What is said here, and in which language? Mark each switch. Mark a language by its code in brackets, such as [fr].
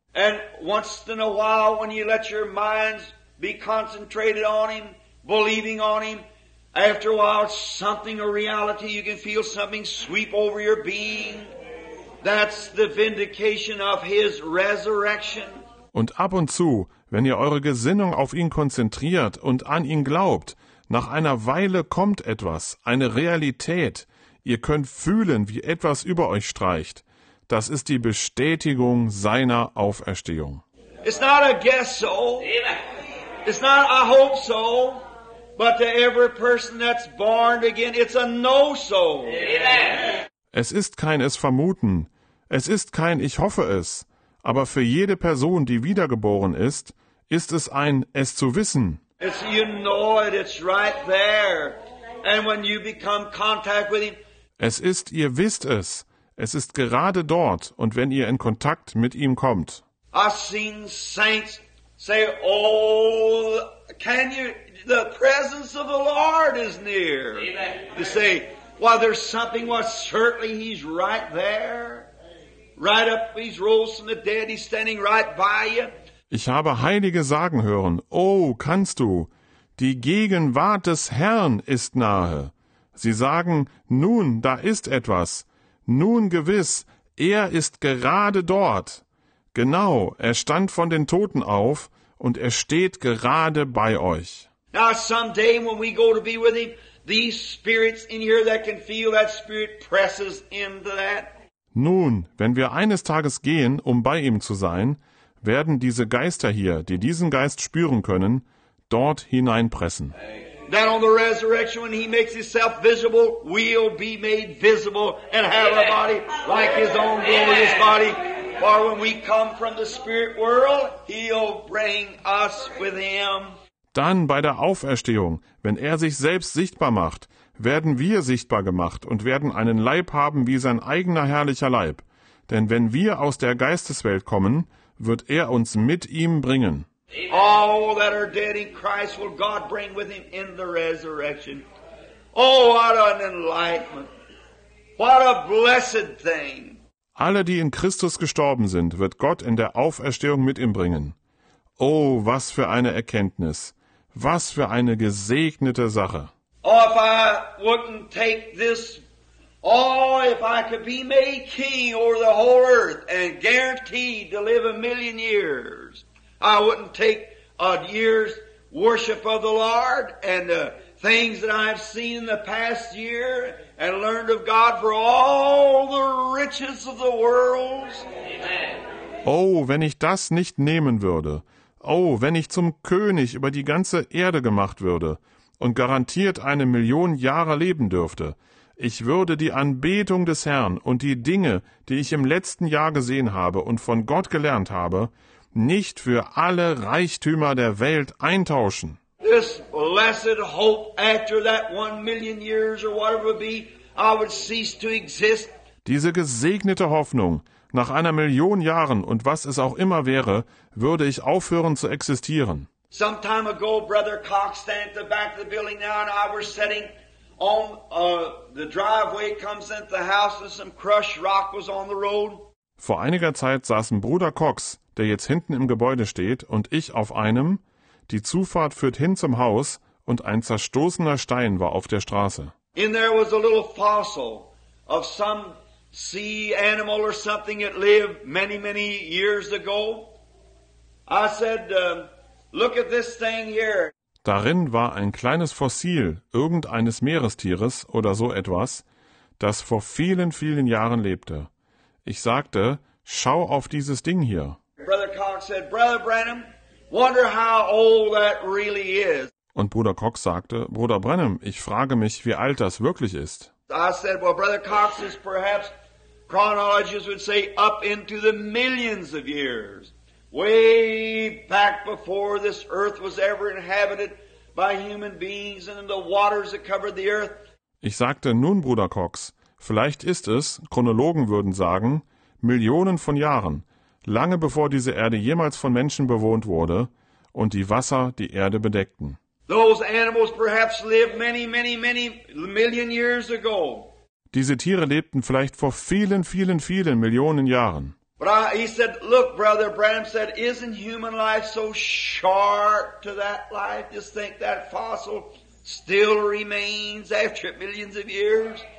[en] And once in a while, when you let your minds be concentrated on him, believing on him, after a while, something, a reality, you can feel something sweep over your being. That's the vindication of his resurrection. [de] Und ab und zu, wenn ihr eure Gesinnung auf ihn konzentriert und an ihn glaubt, nach einer Weile kommt etwas, eine Realität. Ihr könnt fühlen, wie etwas über euch streicht. Das ist die Bestätigung seiner Auferstehung. [en] It's not a guess so. It's not a hope so. But to every person that's born again, it's a no-so. [de] Es ist kein Es vermuten. Es ist kein Ich hoffe es. Aber für jede Person, die wiedergeboren ist, ist es ein Es zu wissen. [en] It's, you know it, it's right there. And when you become contact with him. [de] Es ist, ihr wisst es. Es ist gerade dort. Und wenn ihr in Kontakt mit ihm kommt. [en] I've seen saints say, oh, can you... The presence of the Lord is near. Amen. To say, Why, there's something, why, certainly he's right there. Right up, he's rose from the dead, he's standing right by you. [de] Ich habe Heilige sagen hören, oh, kannst du, die Gegenwart des Herrn ist nahe. Sie sagen, nun, da ist etwas. Nun gewiss, er ist gerade dort. Genau, er stand von den Toten auf und er steht gerade bei euch. [en] Now someday when we go to be with him, these spirits in here that can feel that spirit presses into that. [de] Nun, wenn wir eines Tages gehen, um bei ihm zu sein, werden diese Geister hier, die diesen Geist spüren können, dort hineinpressen. [en] That on the resurrection, when he makes himself visible, we'll be made visible and have a body like his own glorious body. For when we come from the spirit world, he'll bring us with him. [de] Dann bei der Auferstehung, wenn er sich selbst sichtbar macht, werden wir sichtbar gemacht und werden einen Leib haben wie sein eigener herrlicher Leib. Denn wenn wir aus der Geisteswelt kommen, wird er uns mit ihm bringen. [en] All that are dead in Christ will God bring with him in the resurrection. Oh, what an enlightenment. What a blessed thing. [de] Alle, die in Christus gestorben sind, wird Gott in der Auferstehung mit ihm bringen. Oh, was für eine Erkenntnis. Was für eine gesegnete Sache. [en] Oh, if I wouldn't take this. Oh, if I could be made king over the whole earth and guaranteed to live a million years. I wouldn't take a year's worship of the Lord and the things that I've seen in the past year and learned of God for all the riches of the world. [de] Oh, wenn ich das nicht nehmen würde. Oh, wenn ich zum König über die ganze Erde gemacht würde und garantiert eine Million Jahre leben dürfte. Ich würde die Anbetung des Herrn und die Dinge, die ich im letzten Jahr gesehen habe und von Gott gelernt habe, nicht für alle Reichtümer der Welt eintauschen. [en] This blessed hope after that 1 million years or whatever be, I would cease to exist. [de] Diese gesegnete Hoffnung, nach einer Million Jahren und was es auch immer wäre, würde ich aufhören zu existieren. [en] Some time ago, Brother Cox stand at the back of the building now and I were sitting on the driveway comes into the house and some crushed rock was on the road. [de] Vor einiger Zeit saßen Bruder Cox, der jetzt hinten im Gebäude steht, und ich auf einem. Die Zufahrt führt hin zum Haus und ein zerstoßener Stein war auf der Straße. [en] In there was a little fossil of some sea animal or something that lived many, many years ago. I said, look at this thing here. [de] Darin war ein kleines Fossil irgendeines Meerestieres oder so etwas, das vor vielen, vielen Jahren lebte. Ich sagte, schau auf dieses Ding hier. [en] Brother Cox said, Brother Branham, wonder how old that really is. [de] Und Bruder Cox sagte, Bruder Branham, ich frage mich, wie alt das wirklich ist. [en] I said, well, Brother Cox is perhaps, chronologists would say, up into the millions of years. Way back before this earth was ever inhabited by human beings and the waters that covered the earth. [de] Ich sagte, nun, Bruder Cox, vielleicht ist es, Chronologen würden sagen, Millionen von Jahren, lange bevor diese Erde jemals von Menschen bewohnt wurde und die Wasser die Erde bedeckten. [en] Those animals perhaps lived many, many, many million years ago. [de] Diese Tiere lebten vielleicht vor vielen, vielen, vielen Millionen Jahren. [en] But he said, look, Brother Branham said, isn't human life so short to that life? Just think that fossil still remains after millions of years.